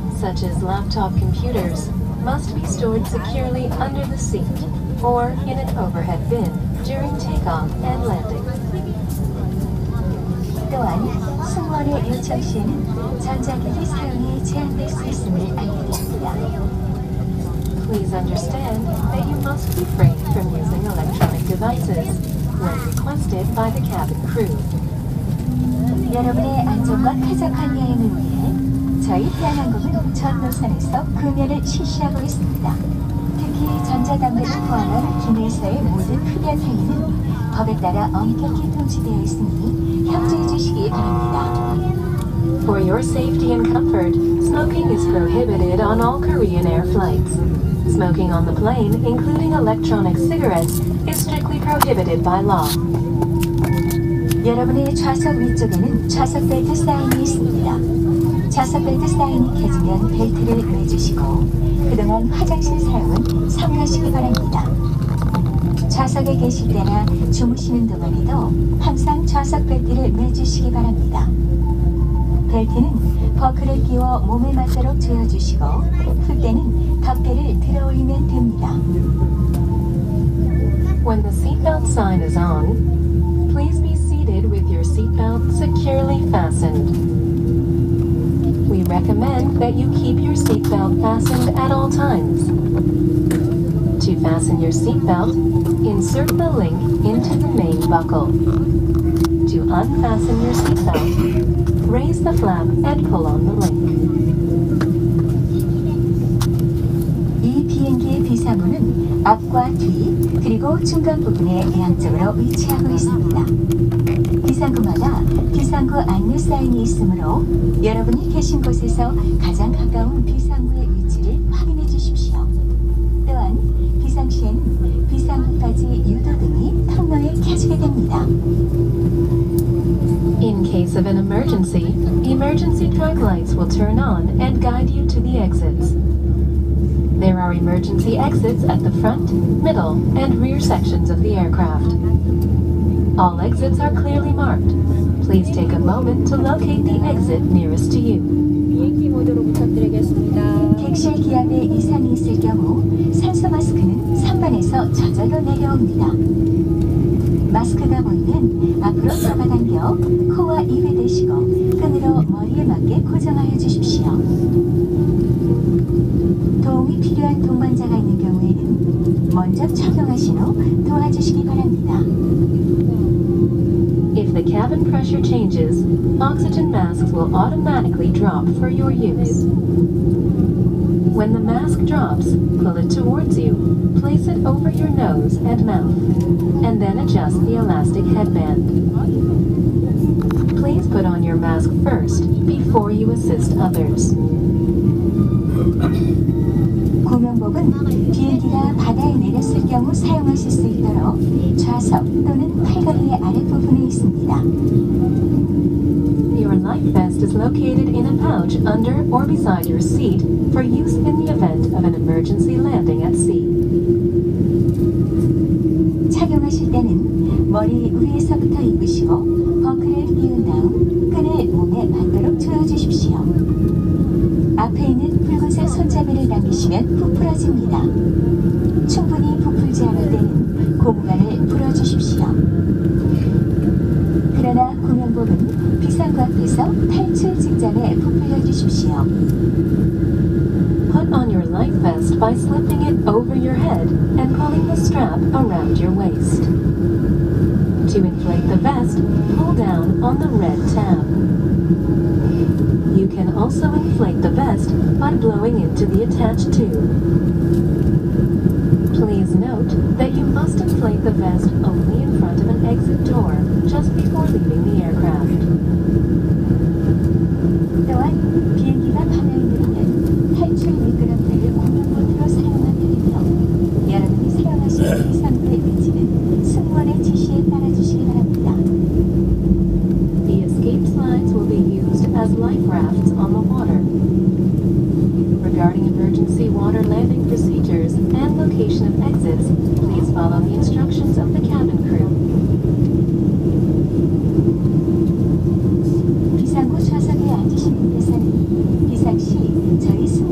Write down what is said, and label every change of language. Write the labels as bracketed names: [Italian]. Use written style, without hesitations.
[English] such as laptop computers, must be stored securely under the seat or in an overhead bin during takeoff and landing. [Korean] 또한 승무원의 요청 시에는 전자기기 사용이 제한될 수 있음을 알려드립니다. [English] Please understand that you must refrain from using electronic devices when requested by the cabin crew. [Korean] 여러분의 안전과 쾌적한 여행을 위해 저희 대한항공은 전 노선에서 금연을 실시하고 있습니다. 특히 전자담배를 포함한 기내에서의 모든 흡연 행위는 법에 따라 엄격히 통지되어 있으니 협조해 주시기 바랍니다. [English] For your safety and comfort, smoking is prohibited on all Korean Air flights. Smoking on the plane, including electronic cigarettes, is strictly prohibited by law. [Korean] 여러분의 좌석 위쪽에는 좌석 벨트 사인이 있습니다. 좌석 벨트 사인이 켜지면 벨트를 매주시고 그동안 화장실 사용은 삼가시기 바랍니다. 좌석에 계실 때나 주무시는 동안에도 항상 좌석 벨트를 매주시기 바랍니다. 벨트는 버클을 끼워 몸에 맞도록 조여주시고 풀 때는 덮개를 들어올리면 됩니다. [English] When the seatbelt sign is on, please be seated with your seatbelt securely fastened. We recommend that you keep your seatbelt fastened at all times. To fasten your seatbelt, insert the link into the main buckle. To unfasten your seatbelt, raise the flap and pull on the link. [Korean] 이 비행기의 비상문은 앞과 뒤 그리고 중간 부분에 양쪽으로 위치하고 있습니다. 비상구마다 비상구 안내 사인이 있으므로 여러분이 계신 곳에서 가장 가까운 비상구의 위치를 확인해 주십시오. 또한 비상 시에는 비상구까지 유도등이 통로에 켜지게 됩니다. [English] In case of an emergency, emergency drag lights will turn on and guide you to the exits. There are emergency exits at the front, middle, and rear sections of the aircraft. All exits are clearly marked. Please take a moment to locate the exit nearest to you. [Korean] 비행기 모드로 부탁드리겠습니다. 객실 기압에 이상이 있을 경우 산소 마스크는 선반에서 저절로 내려옵니다. 마스크가 보이면 앞으로 잡아당겨 코와 입을 대시고 끈으로 머리에 맞게 고정하여 주십시오. 도움이 필요한 동반자가 있는 경우에는 먼저 착용하신 후 도와주시기 바랍니다. [English] If the cabin pressure changes, oxygen masks will automatically drop for your use. When the mask drops, pull it towards you, place it over your nose and mouth, and then adjust the elastic headband. Please put on your mask first before you assist others. [Korean] 구명복은 비행기가 바다에 내렸을 경우 사용하실 수 있도록 좌석 또는 팔걸이의 아랫부분에 있습니다. [English] Your life vest is located in a pouch under or beside your seat for use in the event of an emergency landing at sea. [Korean] 착용하실 때는 머리 위에서부터 입으시고 버클을 끼운 다음 끈을 몸에 맞도록 조여주십시오. 앞에 있는 붉은색 손잡이를 당기시면 부풀어집니다. 충분히 부풀지 않을 때는 고무관을 풀어주십시오. 그러나 구명복은 비상구 앞에서 탈출 직전에 부풀려 주십시오. [English] Put on your life vest by slipping it over your head and pulling the strap around your waist. To inflate the vest, pull down on the red tab. You can also inflate the vest by blowing into the attached tube. Please note that you must inflate the vest only in front of an exit door just before leaving the aircraft. [Korean] 또한 비행기가 반응되면 탈출 미끄럼틀을 구명보트로 사용한 대로 여러분이 사용하실 비상구의 위치는 승무원의 지시에 따라 주시기 바랍니다. [English] The escape slides will be used as life rafts on the water. Regarding emergency water landing procedures and location of exits, please follow the instructions of the cabin crew. [Korean] 비상구 좌석에 앉으시는 분들은 비상 시 저희